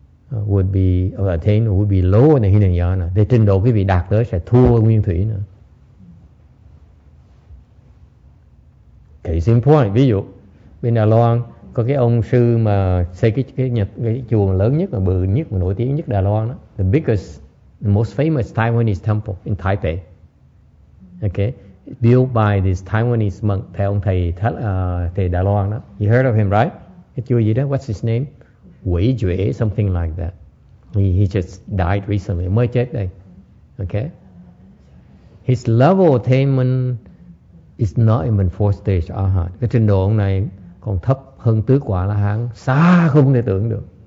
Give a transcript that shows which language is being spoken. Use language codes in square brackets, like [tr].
[en] Would be attained, would be lower than Hinayana. [vi] Thì trình độ quý vị đạt tới sẽ thua nguyên thủy nữa. Case in point, ví dụ bên Đài Loan có cái ông sư mà xây cái chùa lớn nhất, mà bự nhất, mà nổi tiếng nhất Đài Loan đó, [en] the biggest, the most famous Taiwanese temple in Taipei. Okay, built by this Taiwanese monk, [vi] theo ông thầy Đài Loan đó. [en] You heard of him, right? [vi] Cái chùa gì đó, [en] what's his name? Wei Jue, something like that. He just died recently. [vi] Mới chết đây. [en] Okay? His level attainment is not even fourth stage arhat. [vi] Cái trình độ ông này còn thấp hơn tứ quả la hán, xa không thể tưởng được.